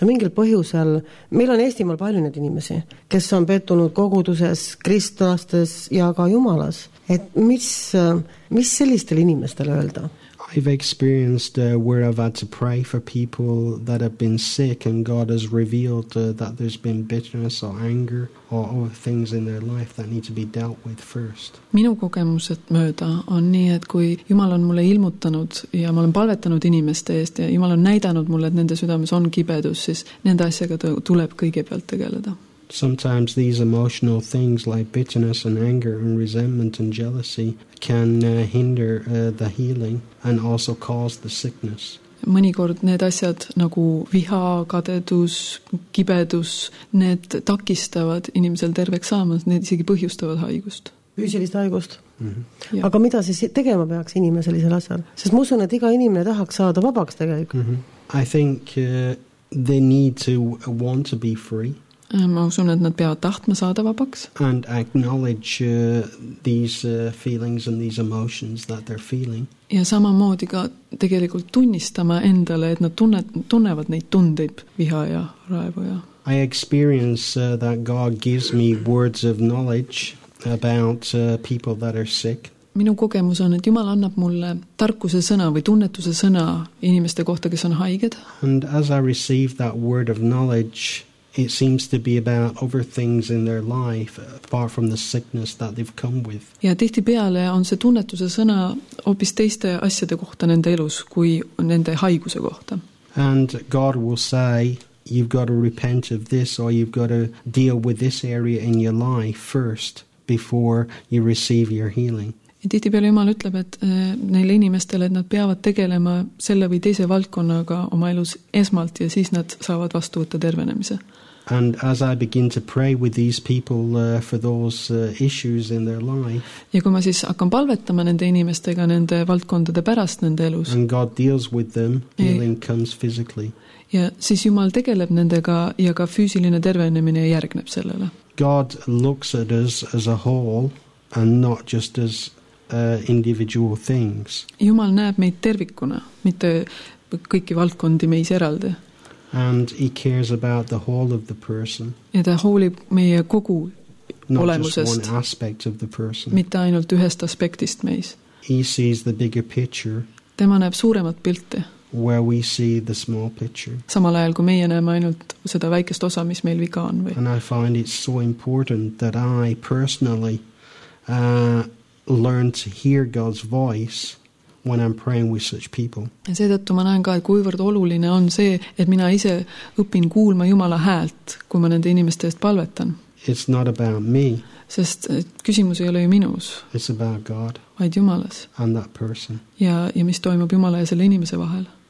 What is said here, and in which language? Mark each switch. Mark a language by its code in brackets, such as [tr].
[et] Ja mingil põhjusel, meil on Eestimaal palju need inimesi, kes on pettunud koguduses, kristlastes ja ka Jumalas. Et mis sellistel inimestel öelda? [en] I've experienced where I've had to pray for people that have been sick and God has revealed that there's been bitterness or anger or other things in their life that need to be dealt with first. [et] Minu kogemused mööda on nii, et kui Jumal on mulle ilmutanud ja ma olen palvetanud inimeste eest ja Jumal on näidanud mulle, et nende südames on kibedus, siis nende asjaga tuleb kõigepealt tegeleda. [en] Sometimes these emotional things like bitterness and anger and resentment and jealousy can hinder the healing and also cause the sickness. [et] Mõnikord need asjad nagu viha, kadedus, kibedus, need takistavad inimesel terveks saamas, need isegi põhjustavad haigust. Füüsilist haigust. Mm-hmm. Aga mida siis tegema peaks inimeselisel asjal? Sest ma usun, et iga inimene tahaks saada vabaks tegelikult. Mm-hmm. [en] I think they need to want to be free. [et] Ma usun, et nad peavad tahtma saada vabaks. [en] And acknowledge these feelings and these emotions that they're feeling. [et] Ja samamoodi ka tegelikult tunnistama endale, et nad tunnevad neid tundeid viha ja raevu. Ja. [en] I experience that God gives me words of knowledge about people that are sick. [et] Minu kogemus on, et Jumal annab mulle tarkuse sõna või tunnetuse sõna inimeste kohta, kes on haiged. [en] And as I receive that word of knowledge, it seems to be about other things in their life, apart from the sickness that they've come with. [et] Ja tihti peale on see tunnetuse sõna hoopis teiste asjade kohta nende elus, kui nende haiguse kohta. [en] And God will say, you've got to repent of this, or you've got to deal with this area in your life first, before you receive your healing. [et] Ja tihti peale Jumal ütleb, et neile inimestele, et nad peavad tegelema selle või teise valdkonnaga oma elus esmalt ja siis nad saavad vastu võtta tervenemise. [en] And as I begin to pray with these people for those issues in their life. [et] Ja kui ma siis hakkan palvetama nende inimestega nende valdkondade pärast nende elus. [en] And God deals with them, healing comes physically. [et] Ja siis Jumal tegeleb nendega ja ka füüsiline tervenemine järgneb sellele. [en] God looks at us as a whole. And not just as individual things. [et] Jumal näeb meid tervikuna, mitte kõiki valdkondi meis eraldi. [en] And he cares about the whole of the person. [et] Ja ta hoolib meie kogu [en] Not [et] olemusest. [en] Just one aspect of the person. [et] Mitte ainult ühest aspektist meis. [en] He sees the bigger picture. [et] Tema näeb suuremat pilti. [en] Where we see the small picture. [et] Samal ajal kui meie näeme ainult seda väikest osa, mis meil viga on või. [en] And I find it so important that I personally learn to hear God's voice when I'm praying with such people. [et] Ja seetõttu ma näen ka, et kuivõrd oluline on see, et mina ise õpin kuulma Jumala häält, kui ma nende inimeste eest palvetan. [en] It's not about me. [et] Sest küsimus ei ole ju minus. [en] It's about God. [et] Vaid Jumalas. [en] And that person. [et] Ja mis toimub Jumala ja selle inimese vahel.